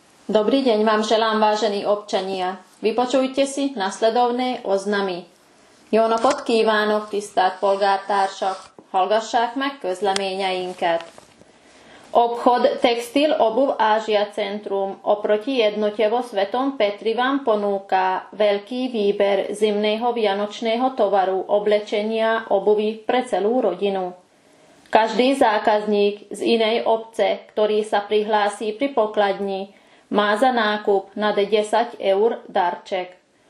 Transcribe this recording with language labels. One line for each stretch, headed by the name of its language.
Slovak: Dobrý deň vám želám, vážení občania. Vypočujte si nasledovné oznamy.
Hungarian: Jó napot kívánok, tisztelt polgártársak! Hallgassák meg közleményeinket!
Slovak: Obchod Textil Obuv Ázsia Centrum oproti jednotevo Svetom Petrivan ponúka veľký výber zimného vianočného tovaru oblečenia obuvi pre celú rodinu. Každý zákazník z inej obce, ktorý sa prihlási pri pokladni, má za nákup nad 10 eur darček.